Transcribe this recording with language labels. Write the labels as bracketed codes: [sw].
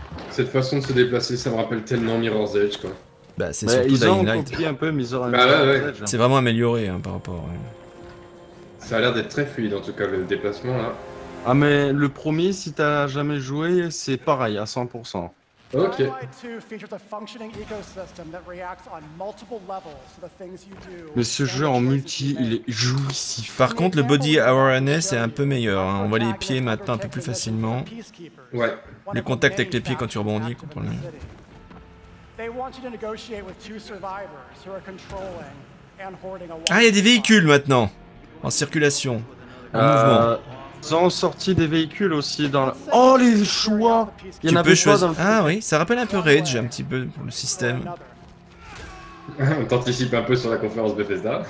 [fr] Cette façon de se déplacer, ça me rappelle tellement Mirror's Edge, quoi. Bah, c'est surtout Dying Light. Ils ont copié un peu Mirror's Edge. Bah ouais, ouais. C'est vraiment amélioré, hein, par rapport. Ouais. Ça a l'air d'être très fluide, en tout cas, le déplacement, là. Ah, mais le premier, si t'as jamais joué, c'est pareil, à 100%. [en] Ok. Dying Light 2 features a functioning ecosystem that reacts on multiple levels to the things you do. [fr] Mais ce jeu en multi, il est jouissif. Par contre, le body awareness est un peu meilleur. Hein. On voit les pieds maintenant un peu plus facilement. Ouais. Le contact avec les pieds quand tu rebondis, comprends-le. [en] They want you to negotiate with two survivors who are controlling and hoarding a wall. [fr] Ah, il y a des véhicules maintenant en circulation. En mouvement. Ils ont sorti des véhicules aussi dans le... Oh, les choix! Il y en avait choix dans le... Ah oui, ça rappelle un peu Rage, un petit peu, pour le système. On t'anticipe un peu sur la conférence Bethesda.